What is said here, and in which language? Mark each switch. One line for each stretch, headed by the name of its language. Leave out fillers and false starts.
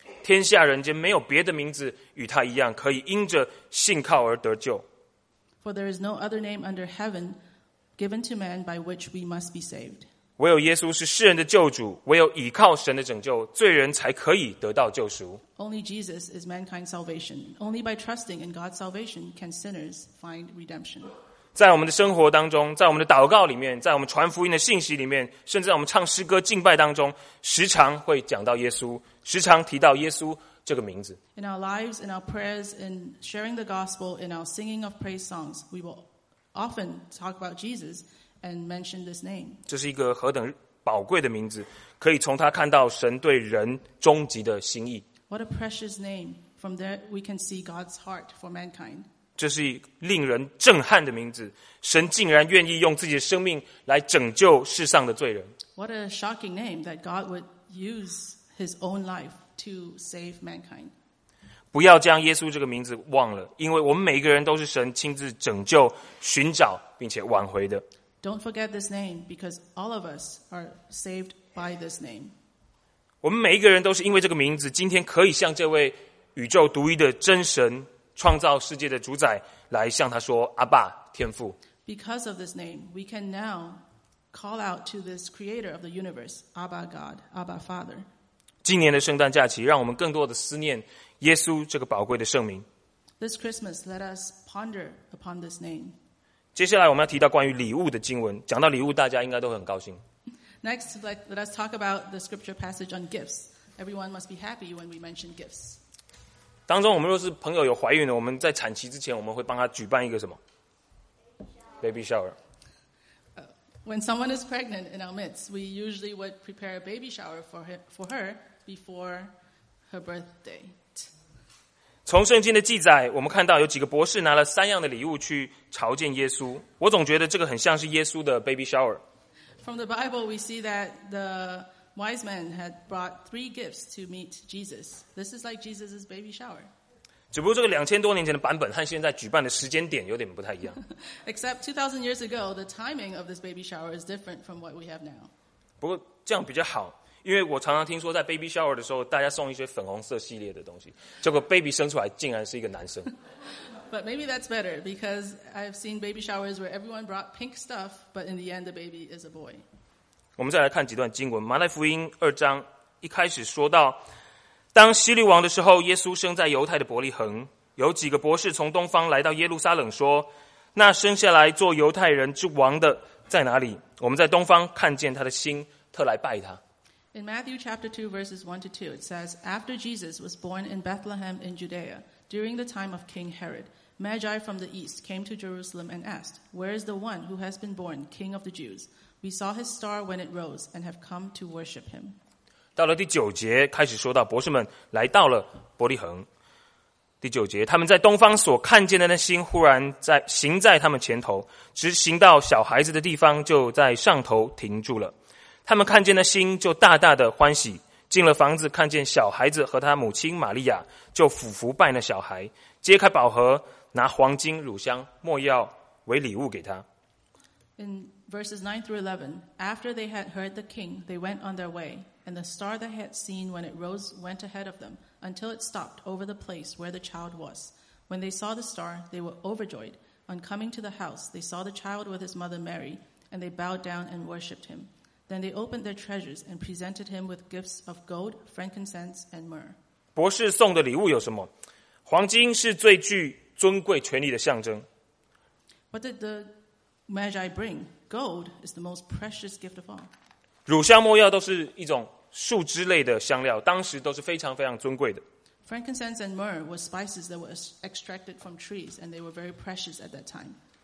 Chinese: 天下人间没有别的名字与他一样可以因着信靠而得救。
English: For there is no other name under heaven given to man by which we must be saved.
Chinese: 唯有耶稣是世人的救主，唯有倚靠神的拯救，罪人才可以得到救赎。
English: Only Jesus is mankind's salvation. Only by trusting in God's salvation can sinners find redemption.
Chinese: 在我们的生活当中，在我们的祷告里面，在我们传福音的信息里面，甚至在我们唱诗歌敬拜当中，时常会讲到耶稣，时常提到耶稣这个名字。
English: In our lives, in our prayers, in sharing the gospel, in our singing of praise songs, we will often talk about Jesus. And mention this name.
Chinese: 这是一个何等宝贵的名字，可以从他看到神对人终极的心意。
English: What a precious name! From there, we can see God's heart for mankind.
Chinese: 这是令人震撼的名字，神竟然愿意用自己的生命来拯救世上的罪人。
English: What a shocking name that God would use His own life to save mankind.
Chinese: 不要将耶稣这个名字忘了，因为我们每一个人都是神亲自拯救、寻找并且挽回的。
English: Don't forget this name, because all of us are saved by this name.
Chinese: 我们每一个人都是因为这个名字，今天可以向这位宇宙独一的真神、创造世界的主宰来向他说阿爸、天父。
English: Because of this name, we can now call out to this creator of the universe, Abba God, Abba Father.
Chinese: 今年的圣诞假期，让我们更多的思念耶稣这个宝贵的圣名。
English: This Christmas, let us ponder upon this name.
Chinese: 接下来我们要提到关于礼物的经文，讲到礼物大家应该都很高兴。
English: Next, let us talk about the scripture passage on gifts. Everyone must be happy when we mention gifts.
Chinese: 当中我们若是朋友有怀孕的，我们在产期之前我们会帮他举办一个什么 baby shower.
English: When someone is pregnant in our midst, we usually would prepare a baby shower for her before her birth date.
Chinese: 从圣经的记载，我们看到有几个博士拿了三样的礼物去朝见耶稣。我总觉得这个很像是耶稣的 baby shower。
English: From the Bible, we see that the wise men had brought three gifts to meet Jesus. This is like Jesus' baby shower.
Chinese: 只不过这个两千多年前的版本和现在举办的时间点有点不太一样。
English: Except 2,000 years ago, the timing of this baby shower is different from what we have now.
Chinese: 不过这样比较好。因为我常常听说在 baby shower 的时候大家送一些粉红色系列的东西，结果 baby 生出来竟然是一个男生。
English: But maybe that's better, because I've seen baby showers where everyone brought pink stuff, but in the end the baby is a boy.
Chinese: 我们再来看几段经文，马太福音二章一开始说到，当希律王的时候，耶稣生在犹太的伯利恒，有几个博士从东方来到耶路撒冷说，那生下来做犹太人之王的在哪里？我们在东方看见他的星，特来拜他。
English: In Matthew chapter 2, verses 1 to 2, it says, After Jesus was born in Bethlehem in Judea, during the time of King Herod, Magi from the east came to Jerusalem and asked, Where is the one who has been born, King of the Jews? We saw his star when it rose and have come to worship him.
Chinese: 到了第九节，开始说到博士们来到了伯利恒。第九节，他们在东方所看见的那星忽然在行在他们前头，直行到小孩子的地方，就在上头停住了。他们看见那星就大大的欢喜，进了房子看见小孩子和他母亲玛利亚，就俯伏拜那小孩，揭开宝盒，拿黄金、乳香、没药为礼物给他。
English: In verses 9 through 11, after they had heard the king, they went on their way, and the star they had seen when it rose went ahead of them, until it stopped over the place where the child was. When they saw the star, they were overjoyed. On coming to the house, they saw the child with his mother Mary, and they bowed down and worshipped him. Then they opened their treasures and presented him with gifts of gold, frankincense, and myrrh.
Chinese: 博士送的礼物有什么？黄金是最具尊贵权力的象征。
English: What did the Magi bring? Gold is the most precious gift of all.
Chinese: 乳香没药都是一种树脂类的香料，当时都是非常非常尊贵的。
English: Frankincense and myrrh were spices that were extracted from trees, and they were very precious at that time.